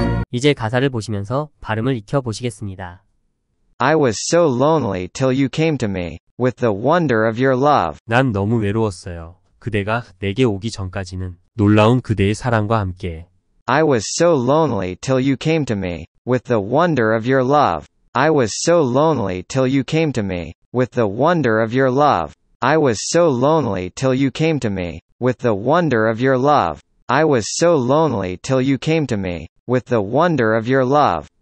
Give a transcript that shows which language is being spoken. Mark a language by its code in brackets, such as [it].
[ko] 이제 가사를 보시면서 발음을 익혀 보시겠습니다. [en] I was so lonely till you came to me with the wonder of your love. [ko] 난 너무 외로웠어요. 그대가 내게 오기 전까지는 놀라운 그대의 사랑과 함께. [en] I was so lonely till you came to me with the wonder of your love. I was so lonely till you came to me with the wonder of your love. I was so lonely till you came to me with the wonder of your love. I was so lonely till you came to me, with the wonder of your love.